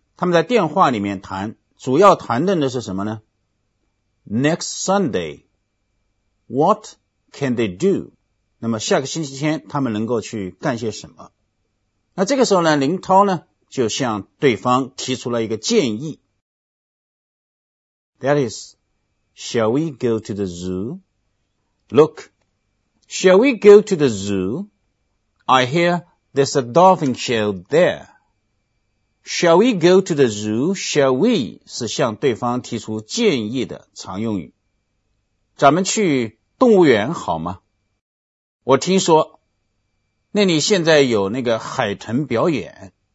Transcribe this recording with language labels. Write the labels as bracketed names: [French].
[Chinese] 他们在电话里面谈，主要谈论的是什么呢？ [English] Next Sunday. What can they do? [Chinese] 那么下个星期天他们能够去干些什么？那这个时候呢，林涛呢，就向对方提出了一个建议。 [English] That is, shall we go to the zoo? Look, shall we go to the zoo? I hear there's a dolphin show there. Shall we go to the zoo? Shall we? [Chinese] 是向对方提出建议的常用语。咱们去动物园好吗？我听说那里现在有那个海豚表演。